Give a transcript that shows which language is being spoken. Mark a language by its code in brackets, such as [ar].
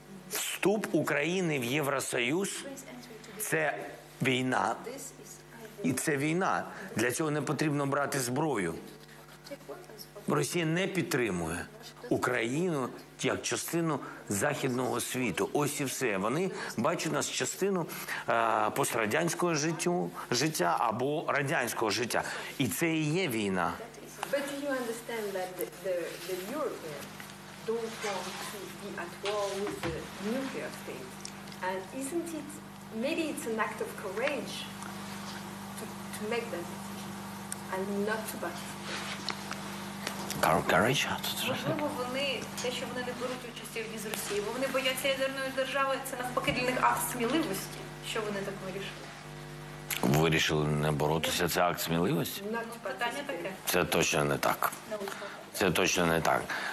[uk] Вступ України в Євросоюз – це війна, і це війна. Для цього не потрібно брати зброю. Росія не підтримує Україну як частину західного світу. Ось і все. Вони бачать нас частину пострадянського життя або радянського життя. І це і є війна. [en] But do you understand that the Europeans don't want to be at war with the nuclear states? And isn't it, maybe it's an act of courage to make that decision and not to participate? Courage? [uk] Можливо, вони, те, що вони не беруть участь у війні з Росією, бо вони бояться ядерної держави, це навпаки для них акт сміливості, що вони так вирішили. Вирішили не боротися, це акт сміливості? Питання таке. Це точно не так. Це точно не так.